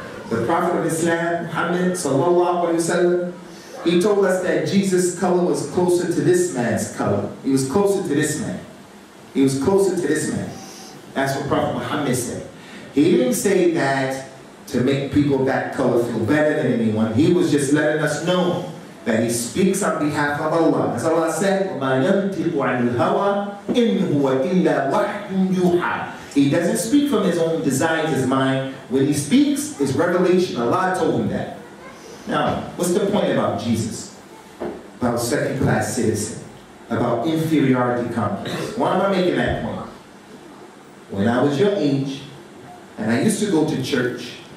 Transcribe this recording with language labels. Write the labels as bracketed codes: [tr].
[en] The Prophet of Islam, Muhammad, sallallahu alayhi wa sallam, he told us that Jesus' color was closer to this man's color. He was closer to this man. He was closer to this man. That's what Prophet Muhammad said. He didn't say that to make people that color feel better than anyone. He was just letting us know that he speaks on behalf of Allah. As Allah said, [ar] وَمَا يَنْتِقُ عَنِ الْهَوَىٰ إِنْ هُوَ إِلَّا وَحْيٌ يُوحَىٰ. [en] He doesn't speak from his own desires, his mind. When he speaks, it's revelation. Allah told him that. Now, what's the point about Jesus? About second-class citizen? About inferiority complex? Why am I making that point? When I was your age, and I used to go to church,